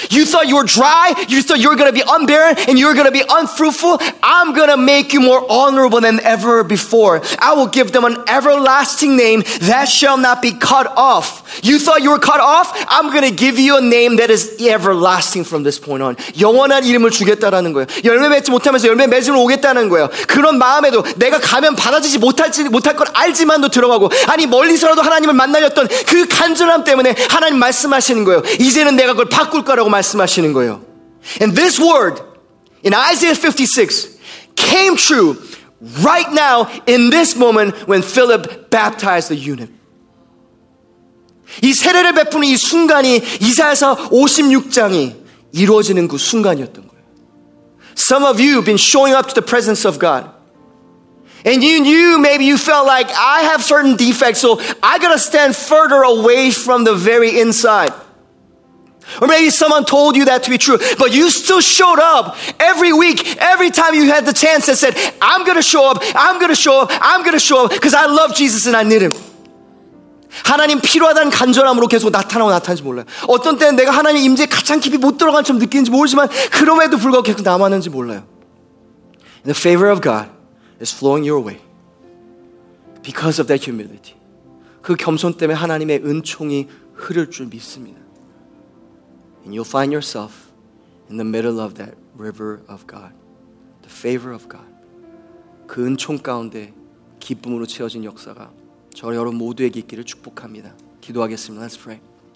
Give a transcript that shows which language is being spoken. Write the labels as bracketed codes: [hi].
[en] You thought you were dry. You thought you were going to be unbarren and you were going to be unfruitful. I'm going to make you more honorable than ever before. I will give them an everlasting name that shall not be cut off. You thought you were cut off? I'm going to give you a name that is everlasting from this point on. [ko] 영원한 이름을 주겠다라는 거예요. 열매 맺지 못하면서 열매 맺으러 오겠다는 거예요. 그런 마음에도 내가 가면 받아주지 못할 걸 알지만도 들어가고 아니 멀리서라도 하나님을 만나려던 그 간절 때문에 하나님 말씀하시는 거예요. 이제는 내가 그걸 바꿀 거라고 말씀하시는 거예요. [en] And this word in Isaiah 56 came true right now in this moment when Philip baptized the eunuch. [ko] 이 세례를 베푸는 이 순간이 이사야서 56장이 이루어지는 그 순간이었던 거예요. [en] Some of you have been showing up to the presence of God. And you knew, maybe you felt like, I have certain defects, so I gotta stand further away from the very inside. Or maybe someone told you that to be true, but you still showed up every week, every time you had the chance and said, I'm gonna show up, I'm gonna show up, I'm gonna show up, because I love Jesus and I need him. [ko] 하나님 필요하다는 간절함으로 계속 나타나고 나타나는지 몰라요. 어떤 때는 내가 하나님 임재 가장 깊이 못 들어간 것처럼 느끼는지 모르지만, 그럼에도 불구하고 계속 남았는지 몰라요. [en] In the favor of God. It's flowing your way because of that humility. [ko] 그 겸손 때문에 하나님의 은총이 흐를 줄 믿습니다. [en] And you'll find yourself in the middle of that river of God, the favor of God. [ko] 그 은총 가운데 기쁨으로 채워진 역사가 저 여러분 모두에게 있기를 축복합니다. 기도하겠습니다. [en] Let's pray.